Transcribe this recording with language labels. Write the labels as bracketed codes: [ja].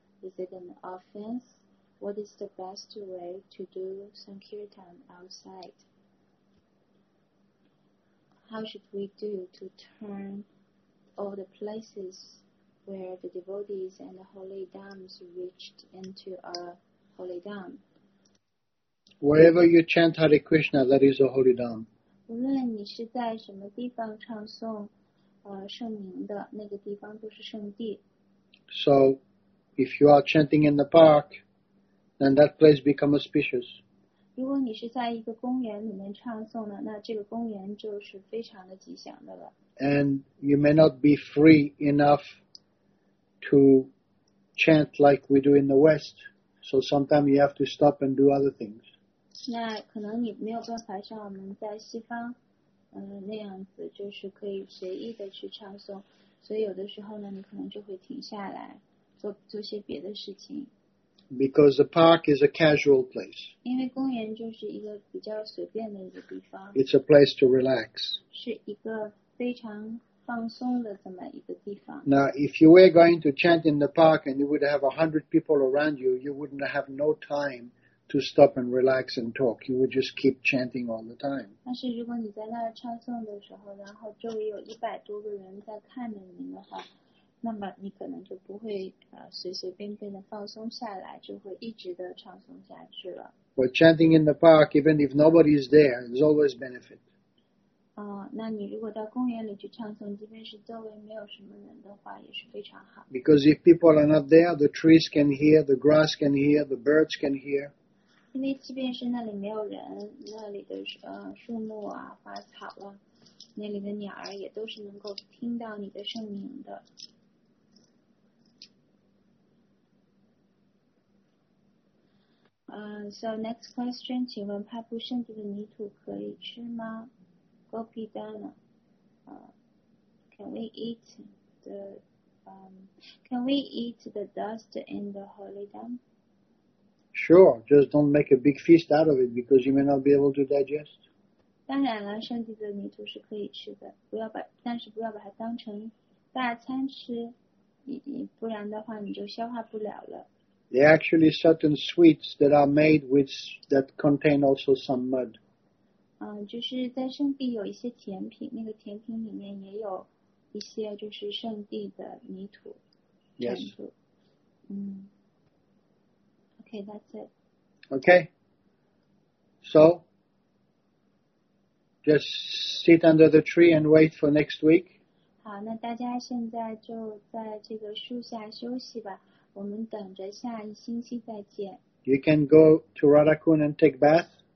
[en] Is it an offense? What is the best way to do Sankirtan outside? How should we do to turn all the places? Where the devotees and the holy dhams reached into a holy dham. Wherever you chant Hare Krishna, that is a holy dham. [zh] 无论你是在什么地方唱诵、圣名的那个地方都是圣地。 [en] So, if you are chanting in the park, then that place becomes auspicious. [zh] 如果你是在一个公园里面唱诵的，那这个公园就是非常的吉祥的了。 [en] And you may not be free enough. To chant like we do in the West, so sometimes you have to stop and do other things. [zh] 那可能你没有办法像我们在西方，那样子就是可以随意的去唱诵，所以有的时候呢，你可能就会停下来，做些别的事情。 [en] Because the park is a casual place. [zh] 因为公园就是一个比较随便的一个地方。 [en] It's a place to relax. [zh] 是一个非常。放松的这么一个地方。 [en] Now, if you were going to chant in the park and you would have 100 people around you, you wouldn't have no time to stop and relax and talk. You would just keep chanting all the time. [zh] 但是如果你在那儿唱诵的时候，然后周围有100多个人在看着你的话，那么你可能就不会随随便便的放松下来，就会一直的唱诵下去了。 [en] But chanting in the park, even if nobody is there, is always benefit. [zh] 那你如果到公园里去唱诵，即便是周围没有什么人的话，也是非常好。 [en] Because if people are not there, the trees can hear, the grass can hear, the birds can hear. [zh] 因为即便是那里没有人，那里的树木啊、花草啊，那里的鸟儿也都是能够听到你的声音的。 [en] So next question， [zh] 请问帕布圣地的泥土可以吃吗？ [en] Gopi Dana, can we eat the dust in the holy dham? Sure, just don't make a big feast out of it because you may not be able to digest. [zh] 当然了，圣地的泥土是可以吃的，但是不要把它当成大餐吃，不然的话你就消化不了了。 [en] There are actually certain sweets that are made with that contain also some mud. [zh] 就是在圣地有一些甜品，那个甜品里面也有一些就是圣地的泥土。 [en] Yes. Okay, that's it. Okay. So, just sit under the tree and wait for next week. [zh] 好，那大家现在就在这个树下休息吧。我们等着下一星期再见。 [en] You can go to Radhakund and take bath.